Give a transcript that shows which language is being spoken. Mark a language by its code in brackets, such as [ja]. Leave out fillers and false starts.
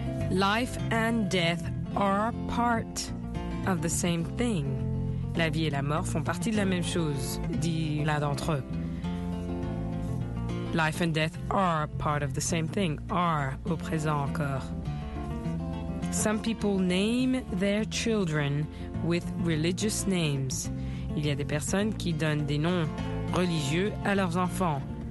[en] Life and death are part of the same thing. [fr] La vie et la mort font partie de la même chose, dit l'un d'entre eux. [en] Life and death are part of the same thing, are [fr] au présent encore. [en] Some people name their children with religious names. [fr] Il y a des personnes qui donnent des noms religieux à leurs enfants.